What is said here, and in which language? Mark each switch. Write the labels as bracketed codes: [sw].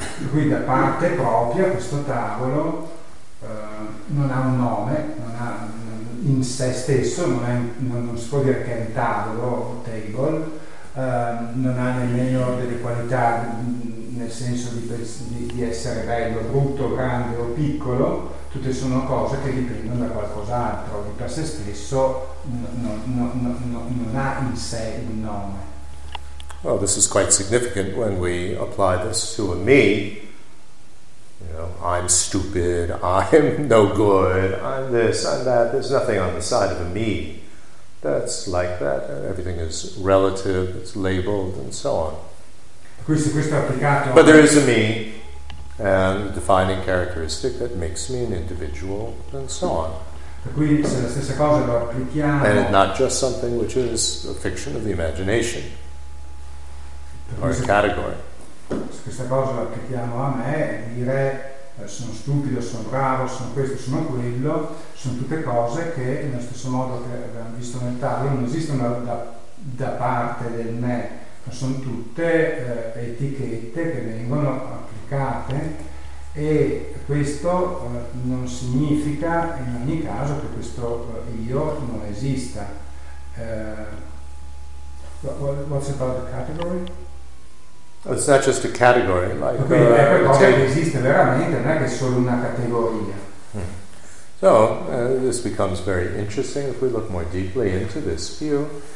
[it] Quindi da parte propria questo tavolo non ha un nome, non ha in se stesso, non si può dire che è un tavolo o table, non ha nemmeno delle qualità nel senso di essere bello, brutto, grande o piccolo, tutte sono cose che dipendono da qualcos'altro, di per se stesso non ha in sé un nome. [en] Well, this is quite significant when we apply this to a me. You know, I'm stupid, I'm no good, I'm this, I'm that. There's nothing on the side of a me that's like that. Everything is relative, it's labeled, and so on. [it] Questo applicato. [en] But there is a me, and the defining characteristic that makes me an individual, and so on. [it] Per cui se la stessa cosa lo applichiamo, [en] and it's not just something which is a fiction of the imagination or a category. [it] Se questa cosa la applichiamo a me, dire sono stupido, sono bravo, sono questo, sono quello, sono tutte cose che nello stesso modo che abbiamo visto nel tavolo non esistono da parte del me, ma sono tutte etichette che vengono applicate. E questo non significa in ogni caso che questo io non esista. [en] What's about the category? It's not just a category, like okay, [it] è qualcosa che esiste veramente, non è che è solo una categoria. [en] So this becomes very interesting if we look more deeply into this view.